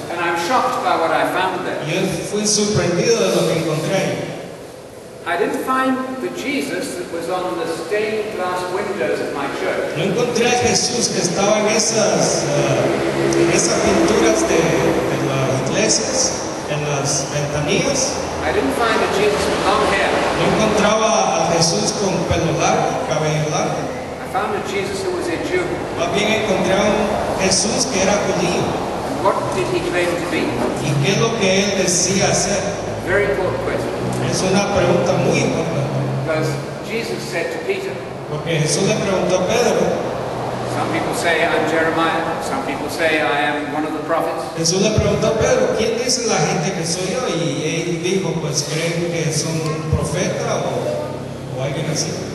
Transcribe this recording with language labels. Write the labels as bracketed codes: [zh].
[en] And I'm shocked by what I found there. [es] Yo fui sorprendido de lo que encontré. [en] I didn't find the Jesus that was on the stained glass windows of my church. [es] No encontré a Jesús que estaba en esas pinturas de las iglesias, en las ventanillas. [en] I didn't find a Jesus with long hair. [es] No encontraba a Jesús con pelo largo, cabello largo. [en] I found a Jesus who was a Jew. [es] Más bien encontré a un Jesús que era judío. [en] And what did he claim to be? [es] ¿Y qué es lo que él decía hacer? [en] Very important question. [es] Es una pregunta muy importante. [en] Because Jesus said to Peter. [es] Porque Jesús le preguntó a Pedro. [en] Some people say I'm Jeremiah. Some people say I am one of the prophets. [es] Jesús le preguntó a Pedro, ¿quién dice la gente que soy yo? Y él dijo, pues creen que son un profeta o alguien así.